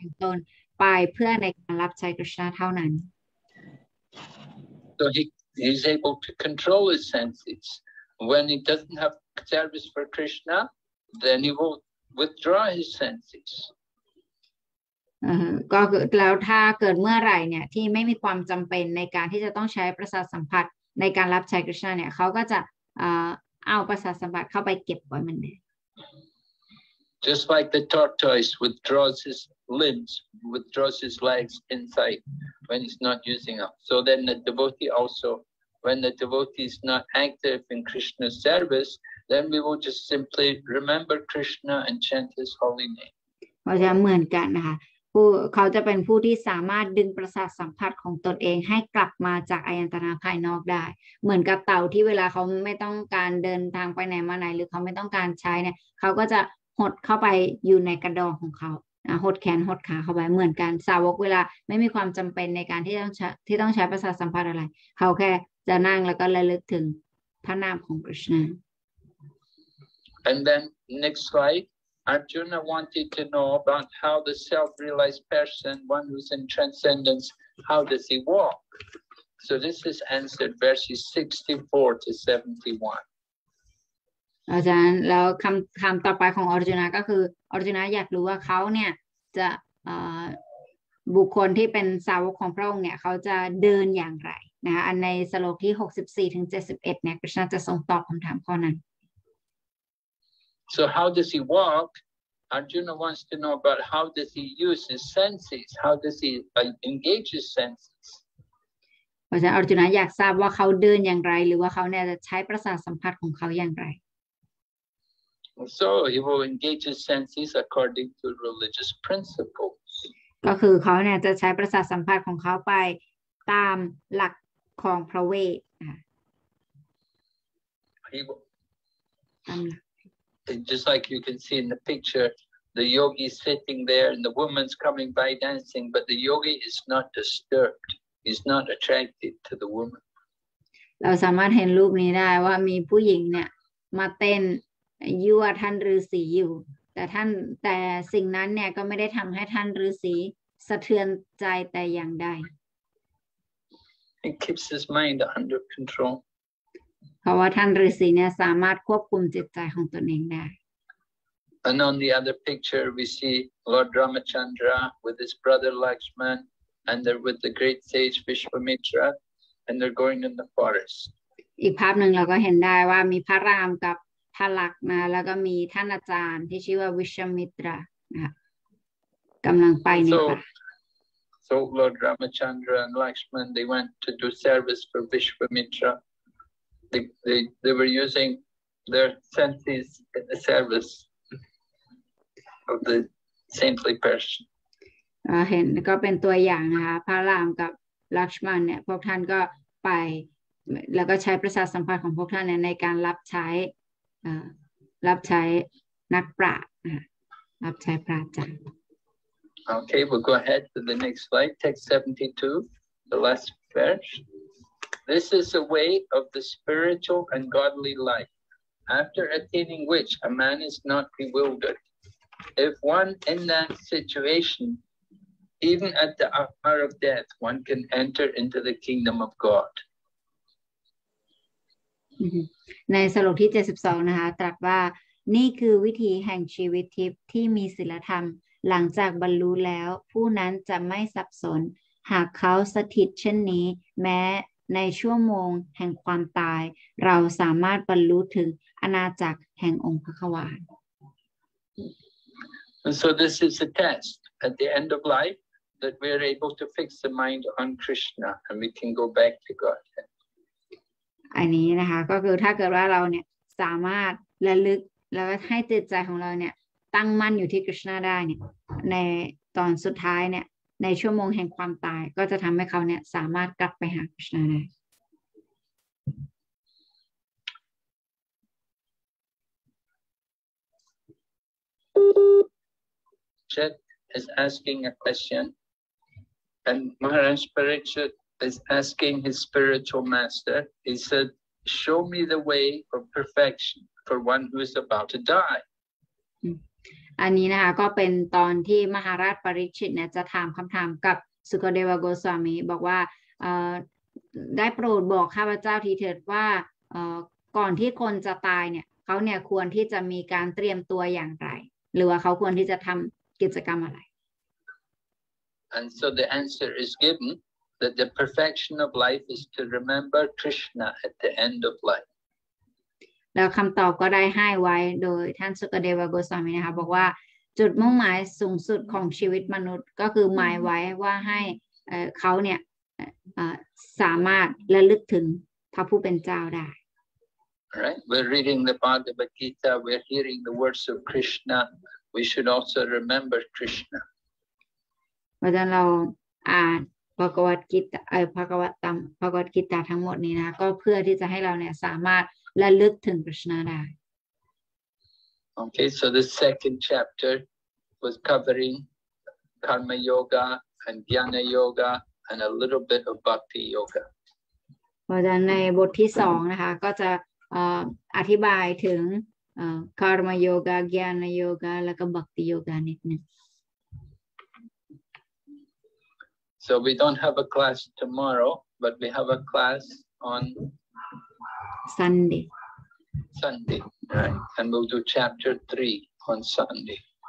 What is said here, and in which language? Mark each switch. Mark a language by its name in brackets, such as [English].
[Thai] ในลักษณะเดียวกันสาวกเนี่ยก็จะทำตนไปเพื่อในการรับใช้กฤษณะเท่านั้น [English] So he's able to control his senses. When he doesn't have service for Krishna, then he will withdraw his senses. [Thai] ก็แล้วถ้าเกิดเมื่อไหร่เนี่ยที่ไม่มีความจำเป็นในการที่จะต้องใช้ประสาทสัมผัสในการรับใช้กฤษณะเนี่ยเขาก็จะเอาประสาทสัมผัสเข้าไปเก็บไว้มันเนี่ย [English] Just like the tortoise withdraws his limbs, withdraws his legs inside when he's not using them. So then the devotee also, when the devotee is not active in Krishna's service, then we will just simply remember Krishna and chant his holy name. [Thai] เพราะฉะนั้นเหมือนกันนะคะ เขาจะเป็นผู้ที่สามารถดึงประสาทสัมผัสของตนเองให้กลับมาจากอายตนะภายนอกได้เหมือนกับเต่าที่เวลาเขาไม่ต้องการเดินทางไปไหนมาไหนหรือเขาไม่ต้องการใช้เนี่ยเขาก็จะหดเข้าไปอยู่ในกระดองของเขา หดแขนหดขาเข้าไปเหมือนกันสาวกเวลาไม่มีความจำเป็นในการที่ต้องใช้ประสาทสัมผัสอะไรเขาแค่จะนั่งแล้วก็ระลึกถึงพระนามของกฤษณะ [English] And then next slide Arjuna wanted to know about how the self-realized person one who's in transcendence how does he walk so this is answered verses 64 to 71 [Thai] อาจารย์แล้วคำต่อไปของอรจุนาก็คืออรจุนาอยากรู้ว่าเขาเนี่ยจะบุคคลที่เป็นสาวกของพระองค์เนี่ยเขาจะเดินอย่างไรนะคะอันในสโลกที่64ถึง71เนี่ยกฤษณะจะทรงตอบคำถามข้อนั้น [English] So how does he walk? Arjuna wants to know about how does he use his senses? How does he engage his senses? [Thai] เพราะฉะนั้นอรจุนาอยากทราบว่าเขาเดินอย่างไรหรือว่าเขาเนี่ยจะใช้ประสาทสัมผัสของเขาอย่างไร [English] So he will engage his senses according to religious principles. [Thai] ก็คือเขาเนี่ยจะใช้ประสาทสัมผัสของเขาไปตามหลักของพระเวทนะ [English] Just like you can see in the picture, the yogi is sitting there and the woman's coming by dancing, but the yogi is not disturbed. He's not attracted to the woman. [Thai] เราสามารถเห็นรูปนี้ได้ว่ามีผู้หญิงเนี่ยมาเต้นยั่วท่านฤาษีอยู่แต่ท่านแต่สิ่งนั้นเนี่ยก็ไม่ได้ทำให้ท่านฤาษีสะเทือนใจแต่อย่างใด [English] It keeps his mind under control [Thai] เพราะว่าท่านฤาษีเนี่ยสามารถควบคุมจิตใจของตนเองได้ [English] And on the other picture we see Lord Ramachandra with his brother Lakshman and they're with the great sage Vishvamitra and they're going in the forest [Thai] อีกภาพนึงเราก็เห็นได้ว่ามีพระรามกับพระลักษณ์นะแล้วก็มีท่านอาจารย์ที่ชื่อว่าวิชมิตรนะกำลังไปในป่า [English] So Lord Ramachandra and Lakshman they went to do service for Vishvamitra they were using their senses in the service of the saintly person [Thai] เห็นก็เป็นตัวอย่างนะคะพระรามกับลักษมณ์เนี่ยพวกท่านก็ไปแล้วก็ใช้ประสาทสัมผัสของพวกท่านในการรับใช้รับใช้นักปราชญ์รับใช้พระอาจารย์ [English] Okay, we'll go ahead to the next slide, text 72, the last verse. This is a way of the spiritual and godly life, after attaining which a man is not bewildered. If one in that situation, even at the hour of death, one can enter into the kingdom of God. [Thai] ในสโลกที่72นะคะตรัสว่านี่คือวิธีแห่งชีวิตทิพย์ที่มีศีลธรรมหลังจากบรรลุแล้วผู้นั้นจะไม่สับสนหากเขาสถิตเช่นนี้แม้ในชั่วโมงแห่งความตายเราสามารถบรรลุถึงอาณาจักรแห่งองค์พระขวาน [English] So this is a test at the end of life that we are able to fix the mind on Krishna and we can go back to Godhead. [Thai] อันนี้นะคะก็คือถ้าเกิดว่าเราเนี่ยสามารถระลึกแล้วก็ให้จิตใจของเราเนี่ยตั้งมั่นอยู่ที่กฤษณะได้เนี่ยในตอนสุดท้ายเนี่ยในชั่วโมงแห่งความตายก็จะทำให้เขาเนี่ยสามารถกลับไปหากฤษณะได้ [English] Okay, Chet is asking a question and Maharaj Parikshit. Is asking his spiritual master, he said, show me the way of perfection for one who is about to die. [Thai] อันนี้นะคะก็เป็นตอนที่มหาราชปริชิตเนี่ยจะถามคำถามกับสุคเดวโกสวามีบอกว่าได้โปรดบอกข้าพเจ้าทีเถิดว่าก่อนที่คนจะตายเนี่ยเขาเนี่ยควรที่จะมีการเตรียมตัวอย่างไรหรือว่าเขาควรที่จะทำกิจกรรมอะไร [English] And so the answer is given. That the perfection of life is to remember Krishna at the end of life. [Thai] แล้วคำตอบก็ได้ให้ไว้โดยท่านสุคเดวโกสวามีนะคะบอกว่าจุดมุ่งหมายสูงสุดของชีวิตมนุษย์ก็คือหมายไว้ว่าให้เขาเนี่ยสามารถระลึกถึงพระผู้เป็นเจ้าได้ [English] Alright, we're reading the Bhagavad Gita. We're hearing the words of Krishna. We should also remember Krishna. [Thai] เพราะฉะนั้นเราอ่านพระกวัตกิตไอพระกวัตตัมพระกวัตกิตาทั้งหมดนี้นะก็เพื่อที่จะให้เราเนี่ยสามารถระลึกถึงกฤษณะได้ [English] Okay, so the second chapter was covering karma yoga and dhyana yoga and a little bit of bhakti yoga. [Thai] อาจารย์ในบทที่สองนะคะก็จะอธิบายถึง karma yoga, dhyana yoga และก็ bhakti yoga นิดนึง. [English] So we don't have a class tomorrow, but we have a class on Sunday. Sunday, right? And we'll do chapter 3 on Sunday.